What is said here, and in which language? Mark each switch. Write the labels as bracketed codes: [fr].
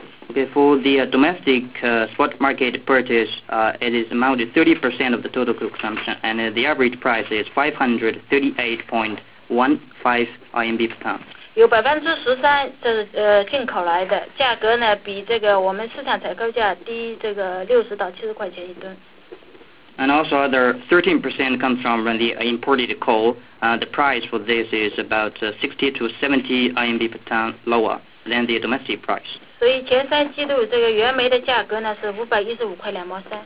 [en] Okay, for the domestic spot market purchase, it is amounted 30% of the total consumption, and the average price is 538.15 RMB per ton. [zh] 有13%这是进口来的，价格呢比这个我们市场采购价低这个60到70块钱一吨。 [en] And also other 13% comes from the imported coal. The price for this is about 60 to 70 RMB per ton lower than the domestic price. [zh] 所以前三季度这个原煤的价格呢是515.23。